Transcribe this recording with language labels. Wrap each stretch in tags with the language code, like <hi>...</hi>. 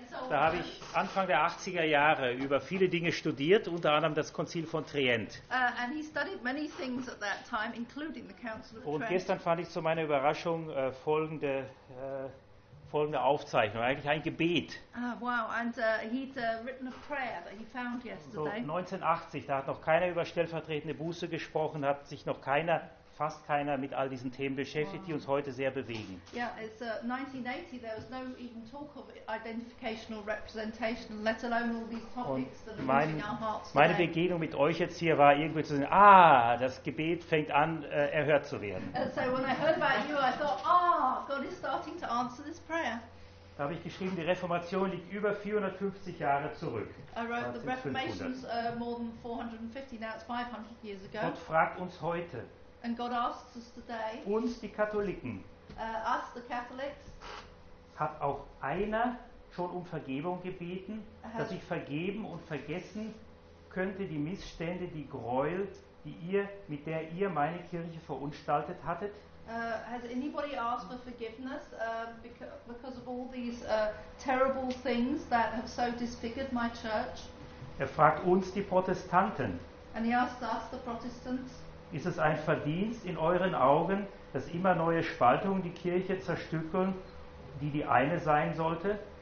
<de>Da habe ich Anfang der 80er Jahre über viele Dinge studiert, unter anderem das Konzil von Trient.</de> <en>And he studied many things at that time, including the Council of Trent.</en> <de>Und gestern fand ich zu meiner Überraschung folgende Aufzeichnung, eigentlich ein Gebet.</de> <en>He'd written a prayer that he found yesterday.</en> <de>So 1980, da hat noch keiner über stellvertretende Buße gesprochen, hat sich noch keiner, fast keiner mit all diesen Themen beschäftigt, die uns heute sehr bewegen.</de> <en>Yeah, it's 1980, there was no even talk of identification or representation, let alone all these topics</en> <de>Und</de> <en>that are moving our hearts today.</en> <de>Meine Begegnung mit euch jetzt hier war irgendwie zu sehen, das Gebet fängt an, erhört zu werden.</de> <en>So when I heard about you, I thought, God is starting to answer this prayer.</en> <de>Da habe ich geschrieben, die Reformation liegt über 450 Jahre zurück.</de> <en>I wrote, the Reformation is more than 450, now it's 500 years ago.</en> <de>Gott fragt uns heute,</de> <en>And God asks us today,</en> <de>uns die Katholiken,</de> <en>us the Catholics,</en> <de>hat auch einer schon um Vergebung gebeten, dass ich vergeben und vergessen könnte die Missstände, die Gräuel, die ihr, mit der ihr meine Kirche verunstaltet hattet?</de> <en>Has anybody asked for forgiveness because of all these terrible things that have so disfigured my church?</en> <de>Er fragt uns die Protestanten.</de> <en>And he asks us the Protestants.</en> <de>Ist es ein Verdienst in euren Augen, dass immer neue Spaltungen die Kirche zerstückeln, die eine sein sollte?</de>